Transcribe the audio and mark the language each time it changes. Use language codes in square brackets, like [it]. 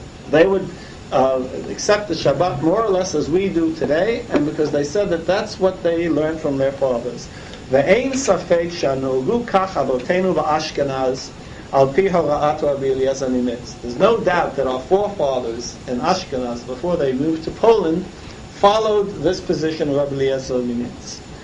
[en] They would accept the Shabbat more or less as we do today, and because they said that that's what they learned from their fathers. [he] ואין ספק שנהגו כך אבותינו באשכנז על פי הוראת רבי אליעזר מימיץ. [en] There's no doubt that our forefathers in Ashkenaz, before they moved to Poland, followed this position of Rabbi Eliezer Mimitz.